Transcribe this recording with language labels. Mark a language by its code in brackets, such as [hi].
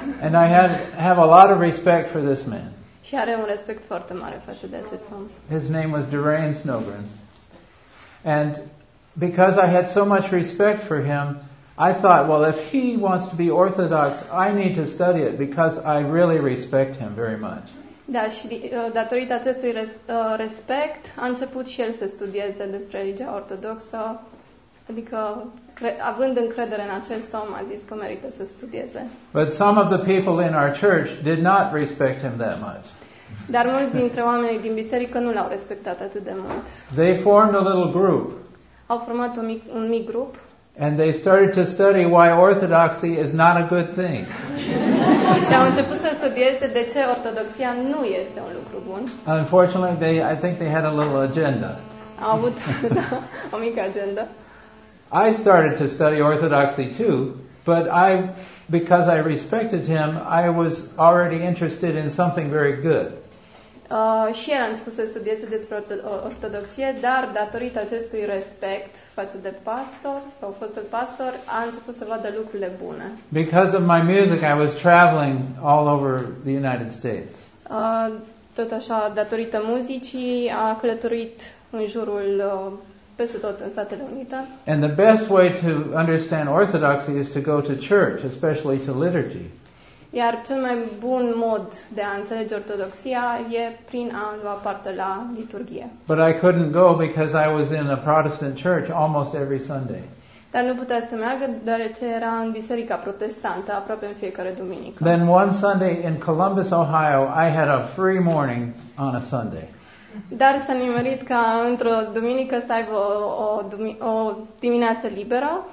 [en] And I have a lot of respect for this man. [ro] Și are un respect foarte mare față de acest om. [en] His name was Duran Snowgren. And because I had so much respect for him, I thought, well, if he wants to be Orthodox, I need to study it because I really respect him very much. [ro] Da, și datorită acestui respect, a început și el să studieze despre religia ortodoxă, adică având încredere în acest om, a zis că merită să studieze. [en] But some of the people in our church did not respect him that much. [ro] Dar mulți dintre oamenii din biserică nu l-au respectat atât de mult. [en] They formed a little group. [ro] Au format un mic grup. [en] And they started to study why orthodoxy is not a good thing. [ro] Și au început să studieze de ce ortodoxia nu este un lucru bun. [en] Unfortunately, I think they had a little agenda. [ro] Au avut o mică agenda. [en] I started to study orthodoxy too, but I, because I respected him, I was already interested in something very good. [ro] Și el a început să studieze despre ortodoxie, dar datorită acestui respect față de pastor sau fostul pastor, a început să vadă lucrurile bune. [en] Because of my music, I was traveling all over the United States. [ro] Tot așa, datorită muzicii, a călătorit în jurul peste tot în Statele Unite. [en] And the best way to understand orthodoxy is to go to church, especially to liturgy. [ro] Iar cel mai bun mod de a înțelege ortodoxia e prin a lua parte la liturghie. [en] But I couldn't go because I was in a Protestant church almost every Sunday. [ro] Dar nu putea să meargă deoarece era în biserica protestantă aproape în fiecare duminică. [en] Then one Sunday in Columbus, Ohio, I had a free morning on a Sunday. [ro] Dar s-a nimerit ca într-o duminică să aibă o dimineață liberă.